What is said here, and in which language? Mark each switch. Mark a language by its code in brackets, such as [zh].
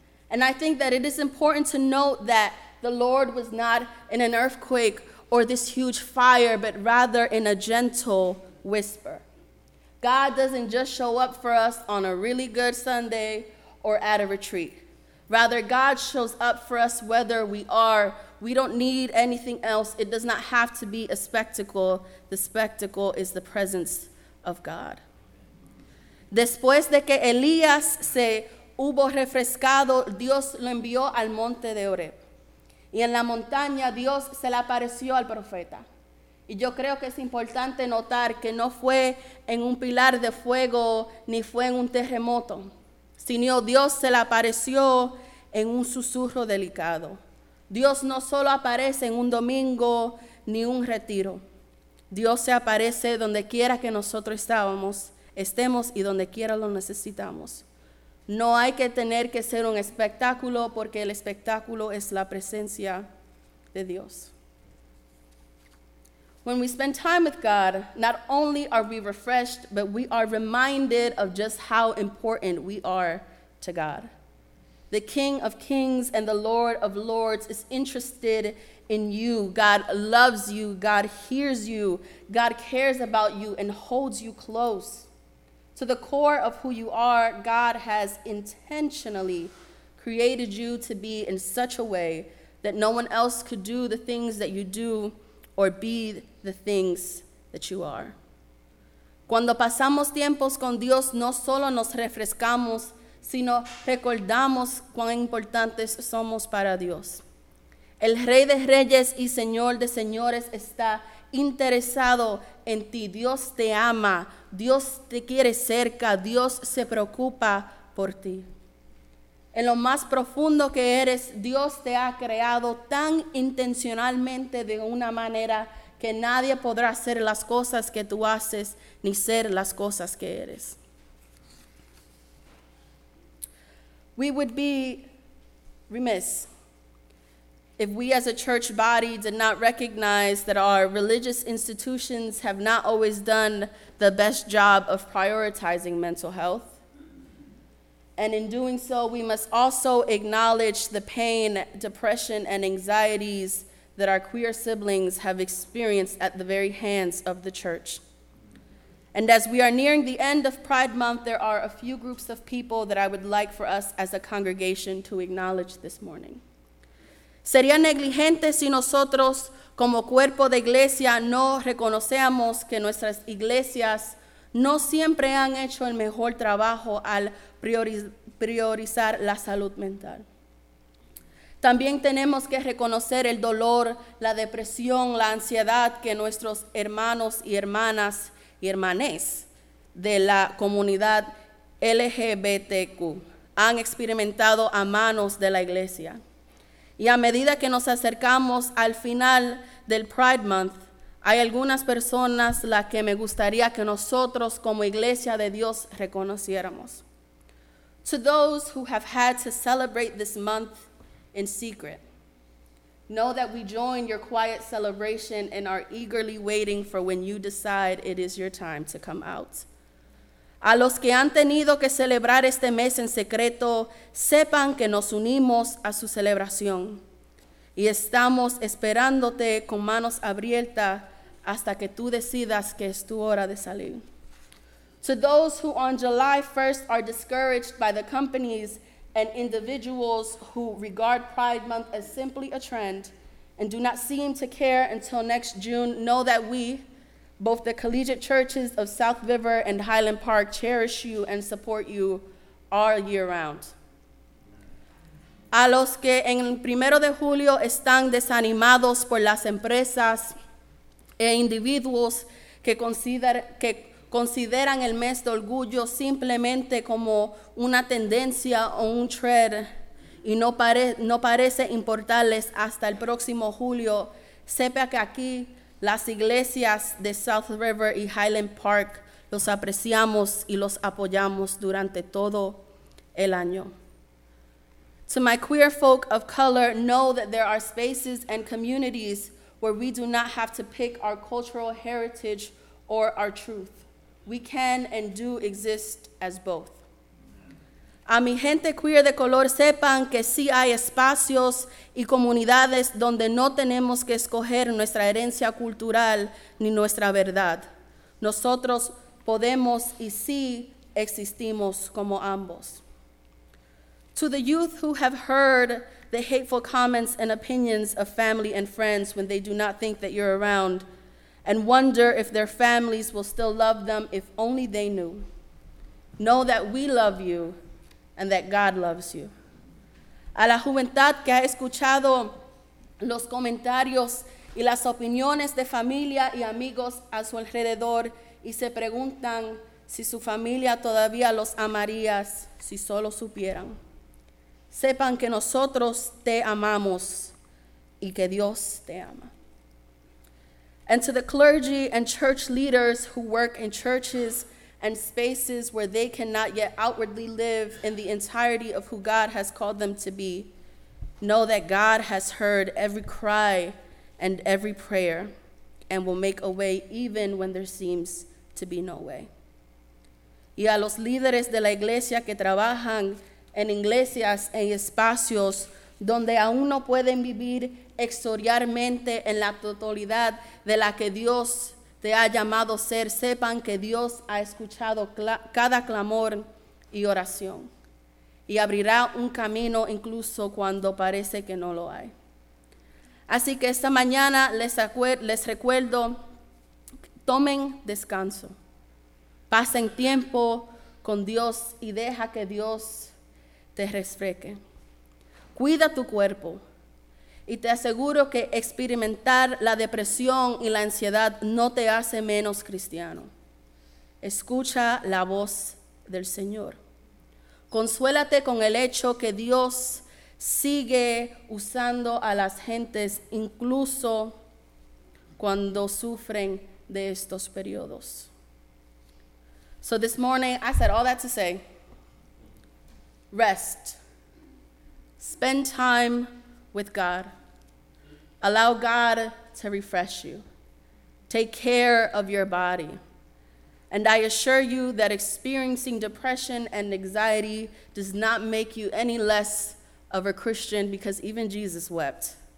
[en] And I think that it is important to note that the Lord was not in an earthquake or this huge fire, but rather in a gentle whisper. God doesn't just show up for us on a really good Sunday or at a retreat. Rather, God shows up for us whether we don't need anything else. It does not have to be a spectacle. The spectacle is the presence of God. [es] Después de que Elías se hubo refrescado, Dios lo envió al monte de Horeb. Y en la montaña, Dios se le apareció al profeta. Y yo creo que es importante notar que no fue en un pilar de fuego ni fue en un terremoto, sino Dios se le apareció en un susurro delicado. Dios no solo aparece en un domingo ni un retiro. Dios se aparece donde quiera que nosotros estemos y donde quiera lo necesitamos. No hay que tener que ser un espectáculo porque el espectáculo es la presencia de Dios. [en] When we spend time with God, not only are we refreshed, but we are reminded of just how important we are to God. The King of Kings and the Lord of Lords is interested in you. God loves you. God hears you. God cares about you and holds you close. To the core of who you are, God has intentionally created you to be in such a way that no one else could do the things that you do or be the things that you are. [es] Cuando pasamos tiempos con Dios, no solo nos refrescamos, sino recordamos cuán importantes somos para Dios. El Rey de Reyes y Señor de Señores está interesado en ti. Dios te ama. Dios te quiere cerca. Dios se preocupa por ti. En lo más profundo que eres, Dios te ha creado tan intencionalmente de una manera que nadie podrá hacer las cosas que tú haces ni ser las cosas que eres. [en] We would be remiss if we as a church body did not recognize that our religious institutions have not always done the best job of prioritizing mental health. And in doing so, we must also acknowledge the pain, depression, and anxieties that our queer siblings have experienced at the very hands of the church. And as we are nearing the end of Pride Month, there are a few groups of people that I would like for us as a congregation to acknowledge this morning. [es] Sería negligente si nosotros, como cuerpo de iglesia, no reconocemos que nuestras iglesias no siempre han hecho el mejor trabajo al priorizar la salud mental. También tenemos que reconocer el dolor, la depresión, la ansiedad que nuestros hermanos y hermanas y hermanes de la comunidad LGBTQ han experimentado a manos de la iglesia. Y a medida que nos acercamos al final del Pride Month, hay algunas personas las que me gustaría que nosotros como iglesia de Dios reconociéramos. [en] To those who have had to celebrate this month in secret, know that we join your quiet celebration and are eagerly waiting for when you decide it is your time to come out. [es] A los que han tenido que celebrar este mes en secreto, sepan que nos unimos a su celebración y estamos esperándote con manos abiertas hasta que tú decidas que es tu hora de salir. [en] To those who on July 1st are discouraged by the companies and individuals who regard Pride Month as simply a trend and do not seem to care until next June, know that we, both the collegiate churches of South River and Highland Park, cherish you and support you all year round. [es] A los que en el primero de julio están desanimados por las empresas e individuos que consideran el mes de orgullo simplemente como una tendencia o un trend y no parece importarles hasta el próximo julio, sepa que aquí las iglesias de South River y Highland Park los apreciamos y los apoyamos durante todo el año. [en] To my queer folk of color, know that there are spaces and communities where we do not have to pick our cultural heritage or our truth. We can and do exist as both. [es] A mi gente queer de color, sepan que sí hay espacios y comunidades donde no tenemos que escoger nuestra herencia cultural ni nuestra verdad. Nosotros podemos y sí existimos como ambos. [en] To the youth who have heard the hateful comments and opinions of family and friends when they do not think that you're around and wonder if their families will still love them if only they knew, know that we love you and that God loves you. [es] A la juventud que ha escuchado los comentarios y las opiniones de familia y amigos a su alrededor y se preguntan si su familia todavía los amaría si solo supieran, sepan que nosotros te amamos y que Dios te ama. [en] And to the clergy and church leaders who work in churches and spaces where they cannot yet outwardly live in the entirety of who God has called them to be, know that God has heard every cry and every prayer and will make a way even when there seems to be no way. [es] Y a los líderes de la iglesia que trabajan en iglesias y espacios donde aún no pueden vivir exteriormente en la totalidad de la que Dios te ha llamado ser, sepan que Dios ha escuchado cada clamor y oración y abrirá un camino incluso cuando parece que no lo hay. Así que esta mañana les recuerdo, tomen descanso, pasen tiempo con Dios y deja que Dios te refresque. Cuida tu cuerpo y te aseguro que experimentar la depresión y la ansiedad no te hace menos cristiano. Escucha la voz del Señor. Consuélate con el hecho que Dios sigue usando a las gentes incluso cuando sufren de estos periodos. [en] So this morning I said all that to say, rest. Spend time with God. Allow God to refresh you. Take care of your body. And I assure you that experiencing depression and anxiety does not make you any less of a Christian because even Jesus wept.